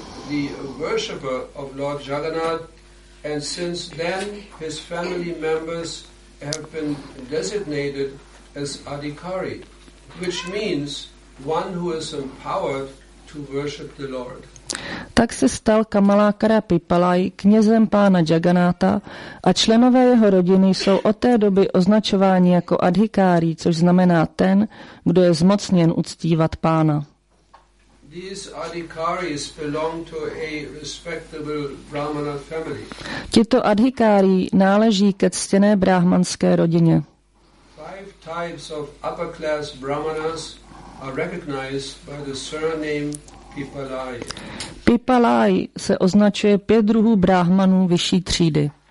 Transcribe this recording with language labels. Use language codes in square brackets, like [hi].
[en] The worshipper of Lord Jagannath, and since then his family members have been designated as Adhikari, which means one who is empowered to worship the Lord. [cs] Tak se stal Kamalakara Pipalai knězem pána Jagannatha a členové jeho rodiny jsou od té doby označováni jako Adhikari, což znamená ten, kdo je zmocněn uctívat pána. [en] These adhikaris belong to a respectable Brahmana family. [cs] Tito adhikári náleží ke ctěné brahmanské rodině. [en] Five types of upper class brahmanas are recognized by the surname Pipalai. [cs] Pipalai se označuje pět druhů brahmanů vyšší třídy.